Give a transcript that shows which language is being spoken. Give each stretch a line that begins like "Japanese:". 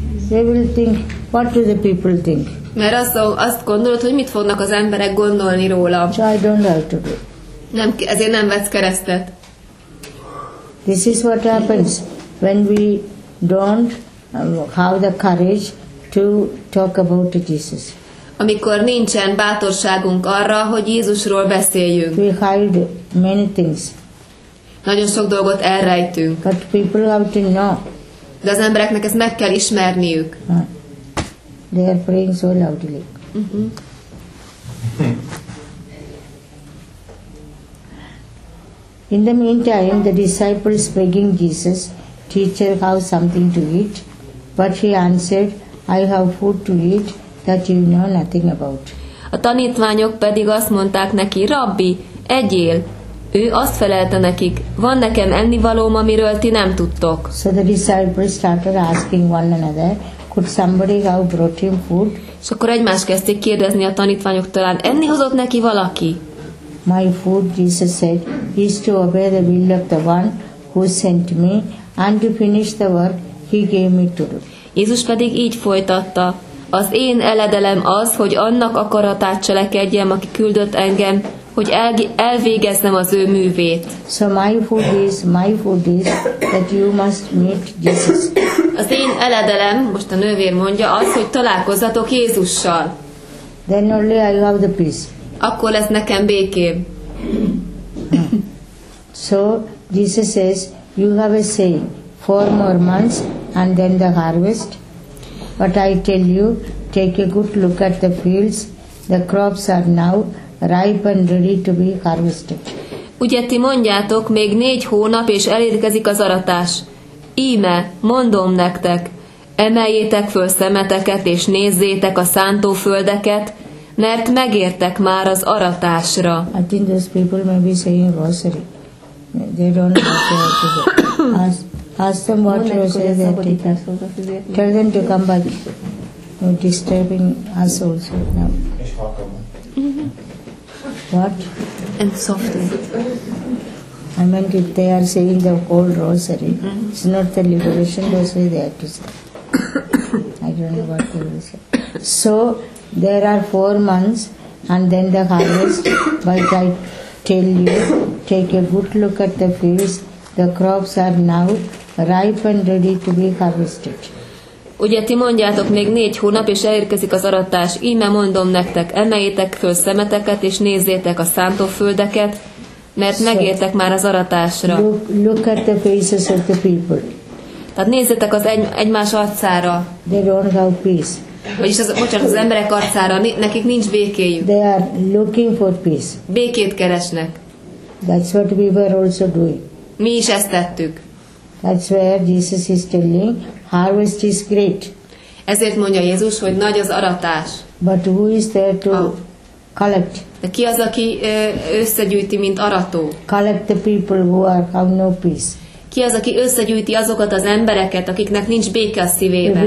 English: They will think, what do the people think?
Hungarian: Mert azt gondolod, hogy mit fognak az emberek gondolni róla.
English: So I don't have to do.
Hungarian: Nem, ezért nem vesz keresztet.
English: This is what happens when we don't have the courage to talk about Jesus.
Hungarian: Amikor nincsen bátorságunk arra, hogy Jézusról beszéljünk.
English: We hide many things.
Hungarian: Nagyon sok dolgot elrejtünk.
English: But people have to know.
Hungarian: De az embereknek ezt meg kell ismerniük.
English: They are praying so loudly. In the meantime, the disciples begging Jesus, "Teacher, have something to eat." But he answered, "I have food to eat that you know nothing about."
Hungarian: A tanítványok pedig azt mondták neki, "Rabbi, egyél." Ő azt felelte nekik, "Van nekem ennivalóm, amiről ti nem tudtok."
English: So the disciples started asking one another, "Could somebody have brought him food?"
Hungarian: És akkor egymás kezdték kérdezni a tanítványok, talán enni hozott neki valaki?
English: "My food," Jesus said, "is to obey the will of the one who sent me and to finish the work he gave me to do."
Hungarian: Jézus pedig így folytatta, "Az én eledelem az, hogy annak akaratát cselekedjem, aki küldött engem, hogy elvégezzem az ő művét."
English: So my food is that you must meet Jesus.
Hungarian: Az én eledelem, most a nővér mondja, az, hogy találkozzatok Jézussal.
English: Then only I have the peace.
Hungarian: Akkor lesz nekem békém.
English: So Jesus says, "You have a saying, 4 more months and then the harvest. But I tell you, take a good look at the fields. The crops are now ripe and ready to be harvested."
Hungarian: Ugye ti mondjátok, még 4 hónap és elérkezik az aratás. Íme, mondom nektek, emeljétek föl szemeteket és nézzétek a szántóföldeket, mert megértek már az aratásra.
English: I think those people may be saying rosary. They don't know what they have to do. Ask them what rosary they are taking. Tell them to come back. No disturbing us also now. What? And softly. I meant if they are saying the whole rosary. It's not the liberation rosary they have to say. I don't know what they will say. So, there are 4 months and then the harvest. But I tell you, take a good look at the fields. The crops are now ripe and ready to be harvested.
Hungarian: Ugye ti mondjátok, még 4 hónap és elérkezik az aratás. Íme mondom nektek, emeljétek föl szemeteket és nézzétek a szántóföldeket, mert megértek már az aratásra.
English: Look at the faces of the people.
Hungarian: Tehát nézzétek az egymás arcára.
English: They don't have peace.
Hungarian: Vagyis bocsánat, az emberek arcára, nekik nincs békéjük.
English: They are looking for peace.
Hungarian: Békét keresnek.
English: That's what we were also doing.
Hungarian: Mi is ezt tettük.
English: That's where Jesus is telling, harvest is great.
Hungarian: Ezért mondja Jézus, hogy nagy az aratás.
English: But who is there to collect?
Hungarian: De ki az, aki összegyűjti, mint arató?
English: Collect the people who have no peace.
Hungarian: Ki az, aki összegyűjti azokat az embereket, akiknek nincs béke a szívében?